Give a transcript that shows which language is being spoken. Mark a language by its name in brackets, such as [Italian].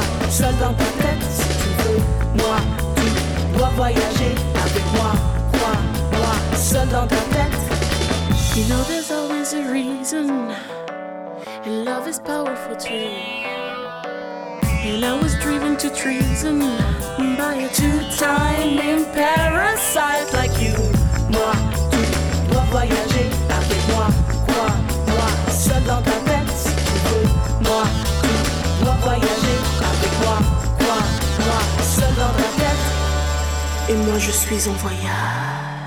[French] Seul dans ta tête, si tu veux, moi, tu dois voyager avec moi, crois-moi, seul dans ta tête. [English] You know there's always a reason, and love is powerful too. And I was driven to treason by a two-timing parasite like you. [French] Moi, tu dois voyager avec moi, crois-moi, seul dans ta tête, si tu veux, moi, tu dois voyager. Quoi, seul dans la tête. Et moi je suis en voyage.